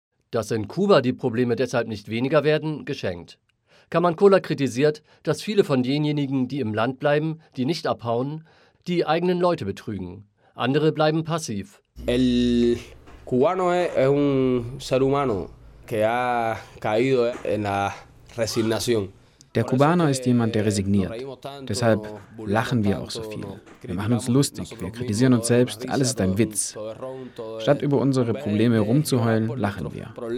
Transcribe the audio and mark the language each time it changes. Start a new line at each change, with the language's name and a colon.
German: Dass in Kuba die Probleme deshalb nicht weniger werden, geschenkt. Carmen Cola kritisiert, dass viele von denjenigen, die im Land bleiben, die nicht abhauen, die eigenen Leute betrügen. Andere bleiben passiv.
Spanish: El cubano es un ser humano que ha caído en la resignación.
German: Der Kubaner ist jemand, der resigniert. Deshalb lachen wir auch so viel. Wir machen uns lustig, wir kritisieren uns selbst, alles ist ein Witz. Statt über unsere Probleme rumzuheulen, lachen wir.